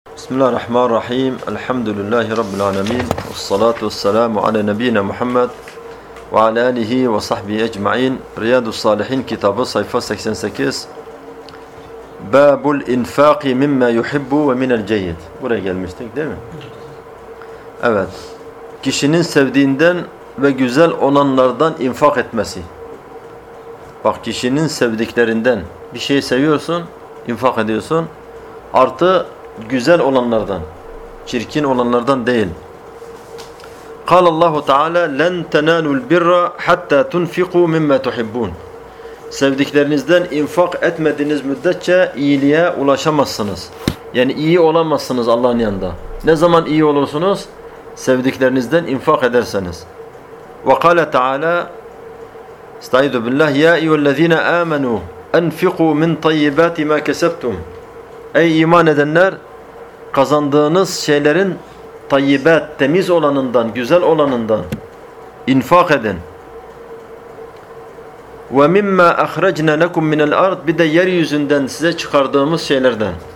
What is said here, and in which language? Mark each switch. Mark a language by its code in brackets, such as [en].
[ar] بسم الله الرحمن الرحيم، الحمد لله رب العالمين، والصلاة والسلام على نبينا محمد وعلى آله وصحبه أجمعين. رياض الصالحين، كتاب الصيف 88، باب الإنفاق مما يحب ومن الجيد. [tr] Buraya gelmiştik değil mi? Evet. Kişinin sevdiğinden ve güzel olanlardan infak etmesi. Bak, kişinin sevdiklerinden bir şey seviyorsun, infak ediyorsun. Artı güzel olanlardan, çirkin olanlardan değil. [ar] قال الله تعالى لن تنالوا البر حتى تنفقوا مما تحبون. [tr] Sevdiklerinizden infak etmediğiniz müddetçe iyiliğe ulaşamazsınız. Yani iyi olamazsınız Allah'ın yanında. Ne zaman iyi olursunuz? Sevdiklerinizden infak ederseniz. [ar] وقال تعالى استعيذ بالله يا أيها الذين آمنوا أنفقوا من طيبات ما كسبتم. [tr] Ey iman edenler, kazandığınız şeylerin tayyibat, temiz olanından, güzel olanından infak edin. [ar] Ve mimma ahrajna lekum min al-ard, [tr] bi de yeryüzünden size çıkardığımız şeylerden.